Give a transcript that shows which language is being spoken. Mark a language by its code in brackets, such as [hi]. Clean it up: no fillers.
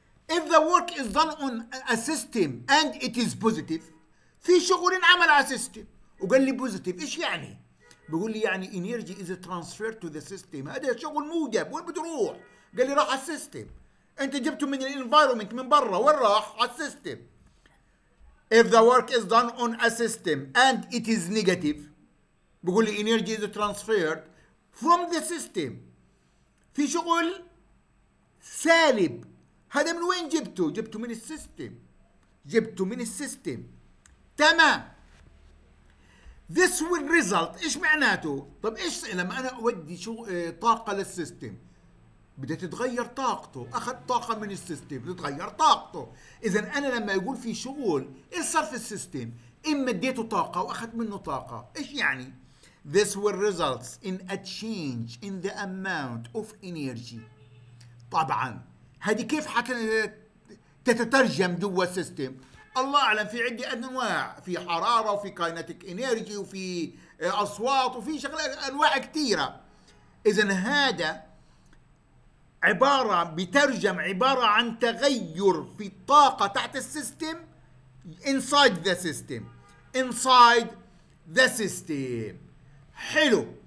[ar] if the work is done on a system and it is positive، في شغل عمل على سيستم وقال لي بوزيتيف، ايش يعني؟ بيقول لي يعني انرجي از ترانسفير تو ذا سيستم، هذا شغل موجب، وين بتروح؟ قال لي راح على السيستم. انت جبته من الانفايرمنت من برا، وين راح؟ على السيستم. [en] If the work is done on a system and it is negative، بقول لي energy is transferred from the system، في شغل سالب. [ar] هذا من وين جبته؟ جبته من السيستم، جبته من السيستم. تمام. This will result، ايش معناته؟ طب ايش لما انا اودي طاقه للسيستم بدها تتغير طاقته، اخذ طاقه من السيستم بتتغير طاقته. اذا انا لما يقول في شغل ايش صار في السيستم؟ اما اديته طاقه واخذ منه طاقه. [en] ايش يعني؟ this will result in a change in the amount of energy. [ar] طبعا هذه كيف تتترجم جوا السيستم؟ الله اعلم، في عندي انواع، في حراره وفي كاينتيك انرجي وفي اصوات وفي شغلات انواع كثيره. اذا هذا عبارة بترجم عبارة عن تغير في الطاقة تحت السيستم، inside the system، inside the system. حلو.